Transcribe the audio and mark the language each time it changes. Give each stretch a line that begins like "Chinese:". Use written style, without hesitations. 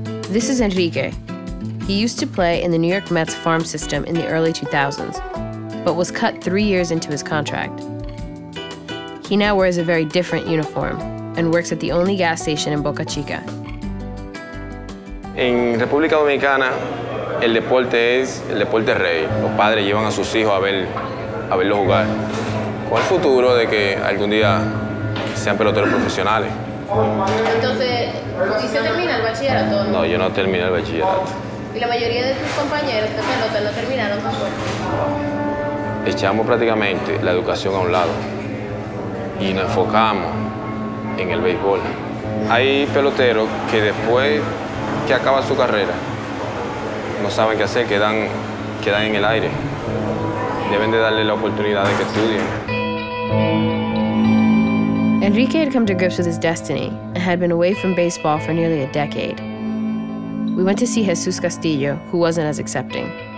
English: This is Enrique. He used to play in the New York Mets farm system in the early 2000s, but was cut 3 years into his contract. He now wears a very different uniform and works at the only gas station in Boca Chica.
Spanish: In República Dominicana, el deporte es el deporte rey. Los padres llevan a sus hijos a verlo jugar, con el futuro de que algún día sean peloteros profesionales. Entonces, ¿y se termina el bachillerato? No, yo no terminé el bachillerato. ¿Y la mayoría de tus compañeros de pelota no terminaron tampoco? echamos prácticamente la educación a un lado y nos enfocamos en el béisbol. Hay peloteros que después que acaba su carrera no saben qué hacer, quedan en el aire. Deben de darle la oportunidad de que estudien.
English: Enrique had come to grips with his destiny and had been away from baseball for nearly a decade. We went to see Jesús Castillo, who wasn't as accepting.